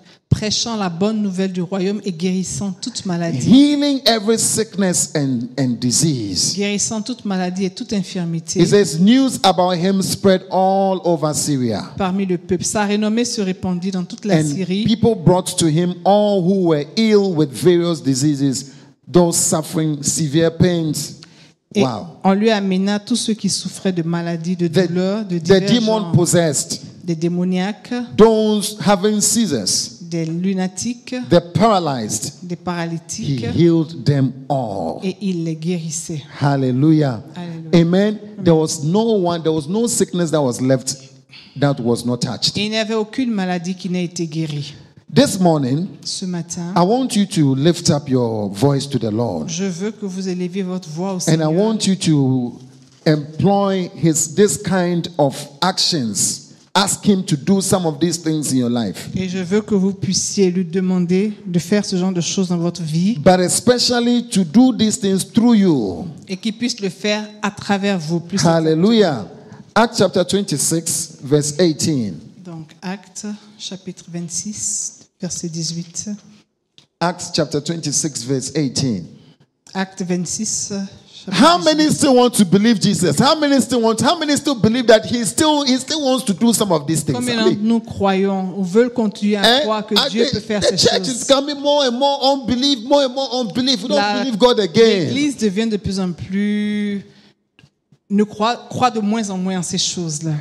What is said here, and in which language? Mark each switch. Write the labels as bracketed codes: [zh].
[fr] Prêchant la bonne nouvelle du royaume et guérissant toute maladie. [en] Healing every sickness and disease. [fr] Guérissant toute maladie et toute infirmité. [en] It says news about him spread all over Syria. [fr] Parmi le peuple, sa renommée se répandit dans toute la Syrie. [en] And people brought to him all who were ill with various diseases, those suffering severe pains. [fr] Et wow. On lui amena tous ceux qui souffraient de maladies, de douleurs, de divers genres. [en] The demon possessed. [fr] Des démoniaques. [en] Those having seizures. [fr] Des lunatiques, [en] they're paralyzed. [fr] Des paralytiques, [en] he healed them all. [fr] Et il les guérissait. Hallelujah. Hallelujah. Amen. Amen. [en] There was no one, there was no sickness that was left that was not touched. [fr] Il n'y avait aucune maladie qui n'ait été guérie. [en] This morning, [fr] ce matin, [en] I want you to lift up your voice to the Lord. [fr] Je veux que vous éleviez votre voix au [en] and [fr] Seigneur. [en] I want you to employ this kind of actions. Ask him to do some of these things in your life. [fr] Et je veux que vous puissiez lui demander de faire ce genre de choses dans votre vie. [en] But especially to do these things through you. [fr] Et qu'il puisse le faire à travers vous. Plus [en] hallelujah. Acts chapter 26, verse 18. [fr] Donc, Acte, chapitre 26, verset 18. [en] Acts chapter 26, verse 18. [fr] Acte 26. [en] How many still want to believe Jesus? How many still believe that he still wants to do some of these things? [fr] Combien d'entre nous croyons ou veulent continuer à croire que Dieu peut faire ces choses? [en] The church is becoming more and more unbelief, more and more unbelief. We don't believe God again. [fr] L'église devient de plus en plus ne croit de moins en moins en ces choses là.